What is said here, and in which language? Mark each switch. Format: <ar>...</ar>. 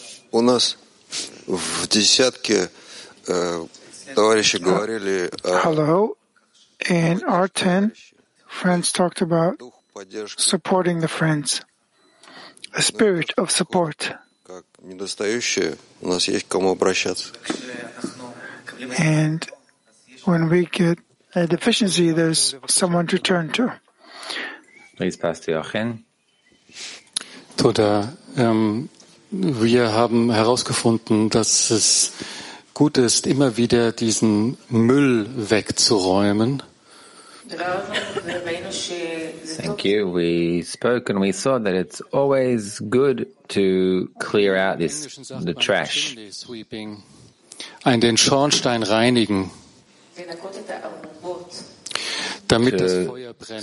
<ru>У нас в десятке товарищи говорили...</ru> <en>Hello. In our 10, friends talked about supporting the friends. A spirit of support.</en> <ru>Как недостающее, у нас есть к кому обращаться.</ru> <en>And when we get a deficiency, there's someone to turn to. Please pass to Jochen.</en> <he>Toda,</he> <de>wir haben herausgefunden, dass es gut ist, immer wieder diesen Müll wegzuräumen.</de> <en>Thank you. We spoke and we saw that it's always good to clear out the trash.</en> <de>Ein den Schornstein reinigen. Damit das Feuer brennt.</de>